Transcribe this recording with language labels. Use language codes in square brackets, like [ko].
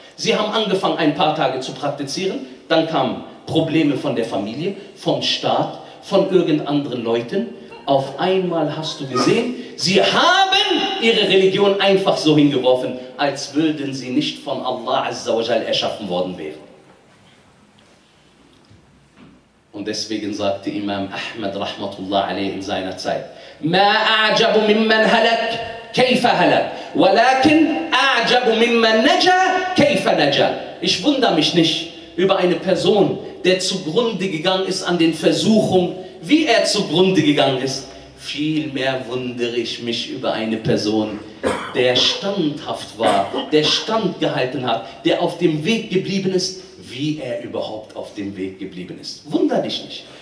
[de] Sie haben angefangen, ein paar Tage zu praktizieren. Dann kamen Probleme von der Familie, vom Staat, von irgendeinen Leuten. Auf einmal hast du gesehen, sie haben ihre Religion einfach so hingeworfen, als würden sie nicht von Allah Azza wa Jal erschaffen worden wären. Und deswegen sagte Imam Ahmad rahmatullah alayhi in seiner Zeit, [ar] مَا أَعْجَبُ مِمَّنْ هَلَكْ كَيْفَ هَلَكْ وَلَكِنْ أَعْجَبُ مِمَّنْ نَجَى كَيْفَ نَجَى. [de] Ich wundere mich nicht über eine Person, der zugrunde gegangen ist an den Versuchungen, wie er zugrunde gegangen ist. Vielmehr wundere ich mich über eine Person, der standhaft war, der Stand gehalten hat, der auf dem Weg geblieben ist, wie er überhaupt auf dem Weg geblieben ist. Wunder dich nicht.